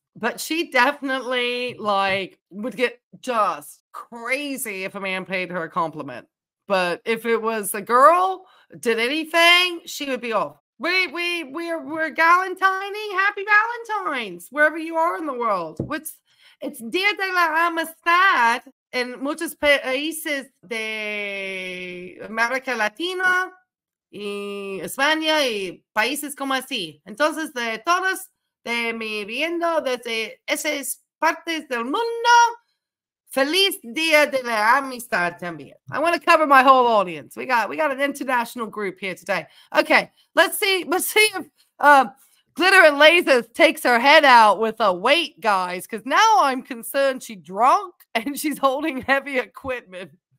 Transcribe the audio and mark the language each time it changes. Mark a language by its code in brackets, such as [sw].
[en] But she definitely like would get just crazy if a man paid her a compliment. But if it was a girl did anything, she would be off. We're galentining. Happy Valentine's wherever you are in the world. [es] It's Dia de la Amistad in muchos países de América Latina y España y países como así. Entonces de todos. De mi viendo desde esas partes del mundo. Feliz Día de la Amistad también. [en] I want to cover my whole audience. We got an international group here today. Okay, let's see if Glitter and Lasers takes her head out with a weight, guys, because now I'm concerned she's drunk and she's holding heavy equipment.